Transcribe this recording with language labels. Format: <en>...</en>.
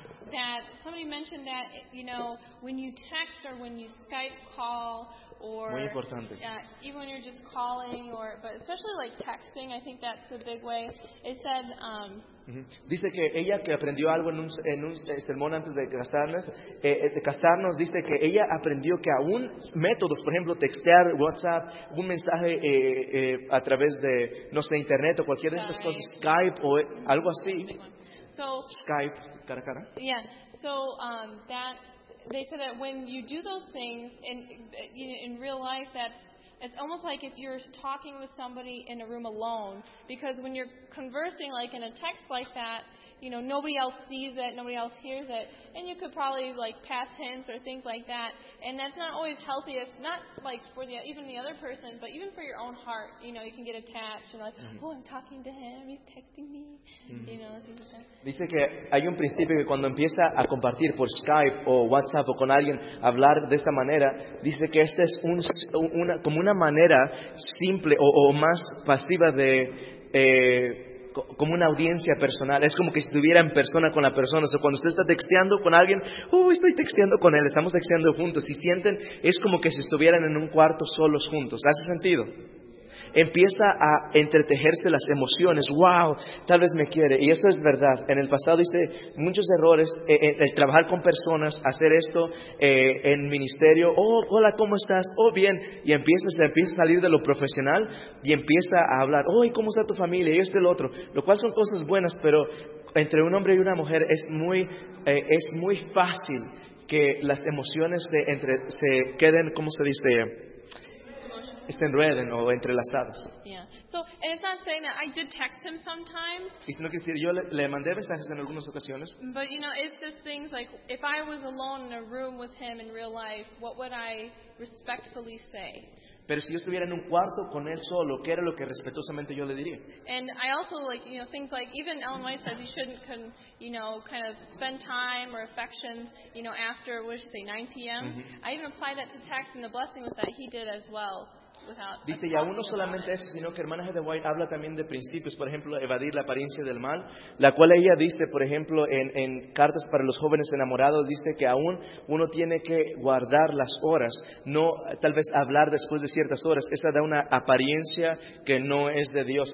<en>That somebody mentioned that, you know, when you text or when you Skype call or</en> <es>muy importante.</es> <en>Even when you're just calling or, but especially like texting, I think that's the big way. It said,</en> <es>dice que ella que aprendió algo en un sermón antes de casarnos, dice que ella aprendió que aún métodos, por ejemplo, textear, WhatsApp, un mensaje a través de, no sé, internet o cualquier de estas cosas, Skype o algo así.</es> <en>So,</en> <es>Skype, cara a cara.</es> <en>Yeah, so that, they said that when you do those things in real life, that's, it's almost like if you're talking with somebody in a room alone, because when you're conversing like in a text like that, you know, nobody else sees it, nobody else hears it, and you could probably like pass hints or things like that, and that's not always healthy. It's not like for the even the other person, but even for your own heart, you know, you can get attached and like, oh, I'm talking to him, he's texting me, you know, things like that.</en> <es>Dice que hay un principio que cuando empieza a compartir por Skype o WhatsApp o con alguien, hablar de esta manera, dice que esta es una manera simple o más pasiva de como una audiencia personal. Es como que estuviera en persona con la persona. O sea, cuando usted está texteando con alguien, estoy texteando con él, estamos texteando juntos. Si sienten, es como que si estuvieran en un cuarto solos juntos. ¿Hace sentido? Empieza a entretejerse las emociones. ¡Wow! Tal vez me quiere. Y eso es verdad. En el pasado hice muchos errores. El trabajar con personas, hacer esto en ministerio. ¡Oh, hola! ¿Cómo estás? ¡Oh, bien! Y empieza a salir de lo profesional y empieza a hablar. ¡Oh, y cómo está tu familia! Y esto y el otro. Lo cual son cosas buenas, pero entre un hombre y una mujer es muy fácil que las emociones se queden, ¿cómo se dice? Estén rueden o entrelazadas.</es> <en>Yeah. So, and it's not saying that I did text him sometimes.</en> <es>Y sino que decir, yo le mandé mensajes en algunas ocasiones.</es> <en>But you know, it's just things like if I was alone in a room with him in real life, what would I respectfully say?</en> <es>Pero si yo estuviera en un cuarto con él solo, ¿qué era lo que respetuosamente yo le diría?</es> <en>And I also like, you know, things like even Ellen White says you shouldn't kind of spend time or affections, you know, after what should say 9 p.m. I even apply that to text and the blessing with that he did as well.</en> <es>Dice, y aún no solamente eso, sino que hermana Heather White habla también de principios, por ejemplo, evadir la apariencia del mal, la cual ella dice, por ejemplo, en cartas para los jóvenes enamorados, dice que aún uno tiene que guardar las horas, no tal vez hablar después de ciertas horas, esa da una apariencia que no es de Dios.</es>